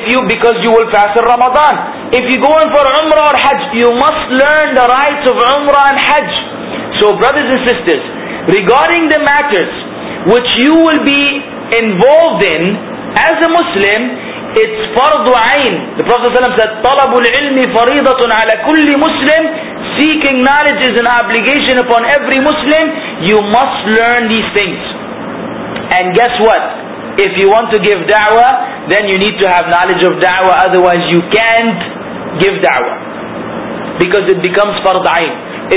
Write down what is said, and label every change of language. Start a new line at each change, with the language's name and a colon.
English: Because you will fast in Ramadan. If you go in for umrah or hajj, you must learn the rights of umrah and hajj. So brothers and sisters, regarding the matters which you will be involved in as a Muslim, it's fardu ayn. The Prophet ﷺ said,
Arabic: طَلَبُ الْعِلْمِ فَرِيضَةٌ عَلَى كُلِّ مُسْلِمٍ.
English: Seeking knowledge is an obligation upon every Muslim. You must learn these things. And guess what? If you want to give da'wah, then you need to have knowledge of da'wah. Otherwise, you can't give da'wah. Because it becomes fard ayn.